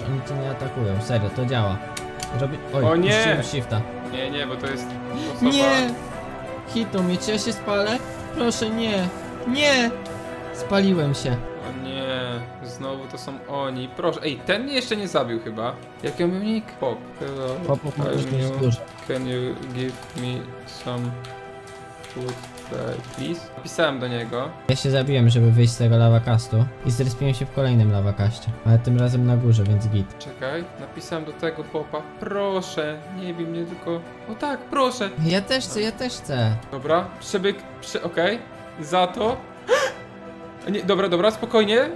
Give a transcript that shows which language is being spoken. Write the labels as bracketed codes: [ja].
[pl] Oni cię nie atakują. Serio, to działa. Robi... Oj, o nie! Shifta. Nie, nie, bo to jest osoba... Nie! Hitą mnie, czy ja się spalę? Proszę, nie! Nie! Spaliłem się. O nie, znowu to są oni. Proszę, ej, ten mnie jeszcze nie zabił chyba. Jak ja mam nick? Pop. Hello. Pop, [en] can you give me some food please? [pl] Napisałem do niego. Ja się zabiłem, żeby wyjść z tego lava castu. I zryspiłem się w kolejnym lava castie. Ale tym razem na górze, więc git. Czekaj, napisałem do tego popa. Proszę, nie bij mnie tylko... O tak, proszę. Ja też chcę, ja też chcę. Dobra, przebieg, okej. Okay. Za to. Nie, dobra, dobra, spokojnie.